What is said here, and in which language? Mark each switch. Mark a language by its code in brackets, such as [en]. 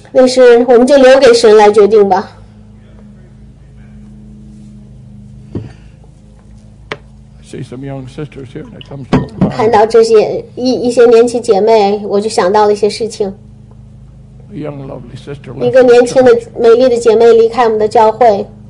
[zh] 那是我们就留给神来决定吧。 [en] I see some young sisters here. That comes. [zh] 看到这些一些年轻姐妹，我就想到了一些事情。 [en] A young lovely sister. [zh] 一个年轻的美丽的姐妹离开我们的教会。